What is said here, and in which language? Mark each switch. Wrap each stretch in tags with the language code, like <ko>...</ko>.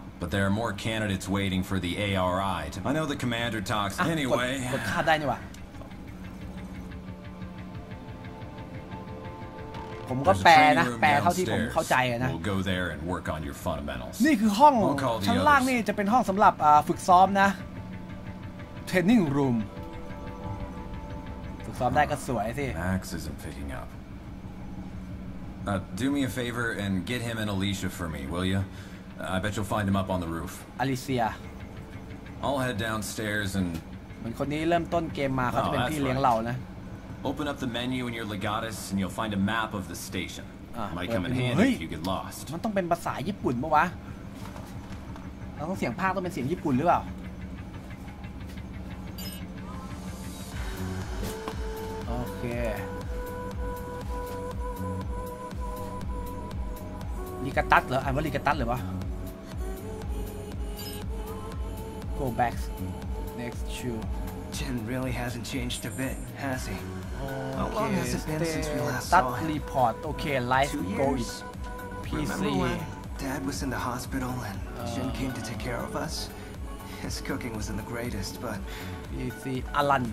<en>But there are more candidates waiting for the ARI. To... I know the commander talks anyway.</en> <th>กดค่าได้นี่วะผมก็แปลนะแปลเท่าที่ผมเข้าใจนะ</th> <en>We'll go there and work on your fundamentals.</en> <th>นี่คือห้องชั้นล่างนี่จะเป็นห้องสำหรับฝึกซ้อมนะ</th> <en>Training room.</en> <th>ฝึกซ้อมได้ก็สวยสิ</th> <en>Max isn't picking up. Do me a favor and get him and Alicia for me, will you? I bet you'll find him up on the roof. Alicia. I'll head downstairs and.</en> <th>เหมือนคนนี้เริ่มต้นเกมมาเขาจะเป็นพี่เลี้ยงเรานะ</th> <en>Open up the menu in your Legatus and you'll find a map of the station. Might come in handy if you get lost.</en> <th>มันต้องเป็นภาษาญี่ปุ่นปะวะเราต้องเสียงภาคต้องเป็นเสียงญี่ปุ่นหรือเปล่าโอเคลีกาตัสเหรออ่านว่าลีกาตัสเหรอวะ</th> <en>Go back next to Jin really hasn't changed a bit has he How long has it been since we last saw him report okay life goes PC Dad was in the hospital and Jin came to take care of us His cooking wasn't the greatest but you see Alan</en>